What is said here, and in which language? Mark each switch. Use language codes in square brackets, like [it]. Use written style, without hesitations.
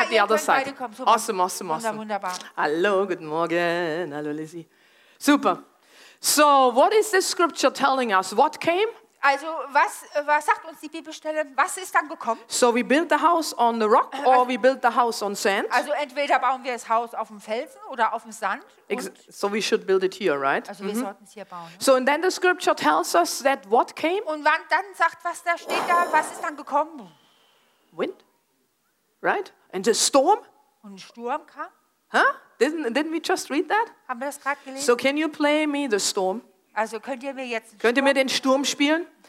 [en] have the other side. [de] Kommen, [en] awesome, awesome, awesome. [de] Wunderbar. Hallo, guten Morgen. [en] Hallo, Lizzie. Super. So, what is this scripture telling us? What came? [de] Also, was sagt uns die Bibelstelle? Was ist dann gekommen? [en] So we build the house on the rock or we build the house on sand. [de] Also entweder bauen wir das Haus auf dem Felsen oder auf dem Sand. [en] So we should build it here, right? [de] Also wir sollten es hier bauen. [en] So and then the scripture tells us that what came? [de] Und wann dann sagt, was da steht da, was ist dann gekommen? [en] Wind, right? And the storm? [de] Und ein Sturm kam? [en] Huh? Didn't we just read that? [de] Haben wir das gerade gelesen? [en] So can you play me the storm? [de] Also könnt ihr mir jetzt könnt ihr mir den Sturm spielen?